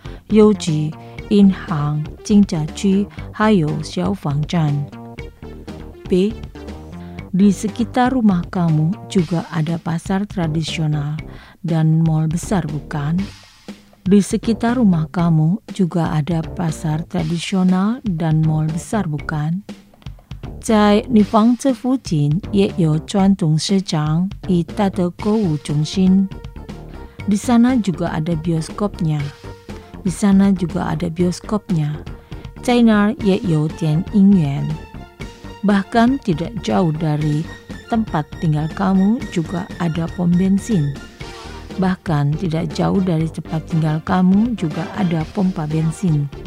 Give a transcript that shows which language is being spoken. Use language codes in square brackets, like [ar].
[id] Yu Ji, In Hang, Jing Jia Cui, Hayo Xiao Fang Zhan. B. Di sekitar rumah kamu juga ada pasar tradisional dan mall besar, bukan? Di sekitar rumah kamu juga ada pasar tradisional dan mall besar, bukan? [zh] 在你房子附近也有传统市场与大的购物中心。 [id] Di sana juga ada bioskopnya. Di sana juga ada bioskopnya. [zh] 在那儿也有电影院。 [id] Bahkan tidak jauh dari tempat tinggal kamu juga ada pom bensin. Bahkan tidak jauh dari tempat tinggal kamu juga ada pompa bensin.